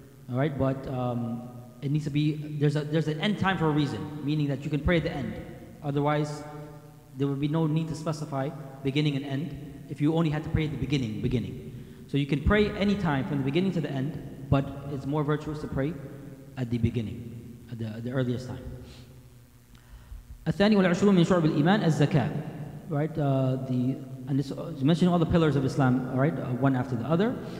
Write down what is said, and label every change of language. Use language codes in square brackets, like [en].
[en] All right, but it needs to be, there's an end time for a reason, meaning that you can pray at the end. Otherwise, there would be no need to specify beginning and end if you only had to pray at the beginning. So you can pray any time from the beginning to the end, but it's more virtuous to pray at the beginning, at the earliest time. [ar] الثاني والعشرون من شعب الإيمان الزكاة. [en] Right, and it's mentioning all the pillars of Islam, right, one after the other.